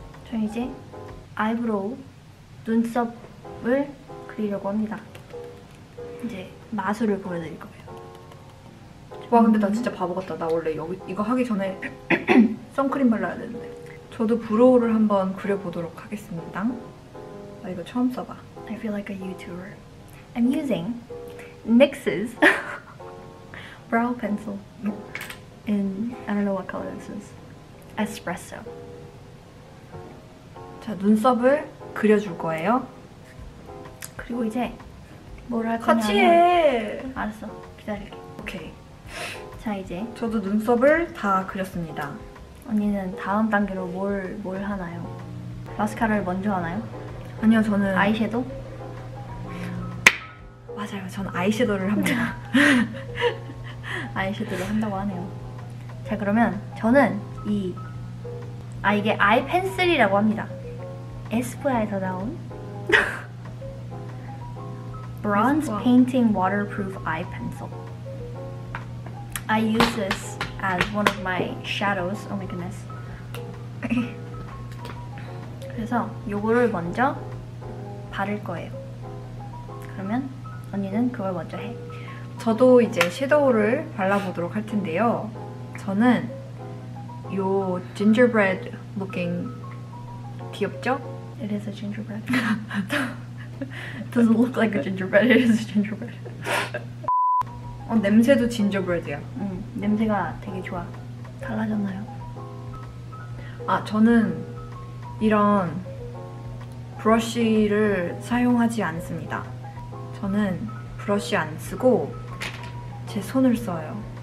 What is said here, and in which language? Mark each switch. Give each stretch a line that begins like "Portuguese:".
Korean: 저 이제 아이브로우, 눈썹을 그리려고 합니다. 이제 마술을 보여드릴 거예요. 와, 근데 나 진짜 바보 같다. 나 원래 여기 이거 하기 전에 선크림 발라야 되는데. 저도 브로우를 한번 그려보도록 하겠습니다. 나 이거 처음 써봐.
English: I feel like a YouTuber. I'm using NYX's brow pencil in, I don't know what color this is, espresso.
Korean: 자, 눈썹을 그려줄 거예요. 그리고 이제 뭘 할 거냐면 같이 해! 알았어, 기다릴게. 오케이. 자, 이제 저도 눈썹을 다 그렸습니다. 언니는 다음 단계로 뭘 하나요? 마스카라를 먼저 하나요? 아니요, 저는 아이섀도우? 맞아요, 전 아이섀도우를 합니다. 아이섀도우를 한다고 하네요. 자, 그러면 저는 이게 아이펜슬이라고 합니다. 에스쁘아에서 나온 Bronze Painting Waterproof Eye Pencil.
English: I use this as one of my shadows. Oh my goodness.
Korean: 그래서 요거를 먼저 바를 거예요. 그러면 언니는 그걸 먼저 해. 저도 이제 섀도우를 발라보도록 할 텐데요. 저는 요
English: gingerbread looking
Korean: 귀엽죠?
English: It is a gingerbread. It doesn't look like a gingerbread. It is a gingerbread.
Korean: 어, 냄새도 gingerbread이야. 냄새가 되게 좋아. 달라졌나요? 아, 저는 이런 브러쉬를 사용하지 않습니다. 저는 브러쉬 안 쓰고 제 손을 써요.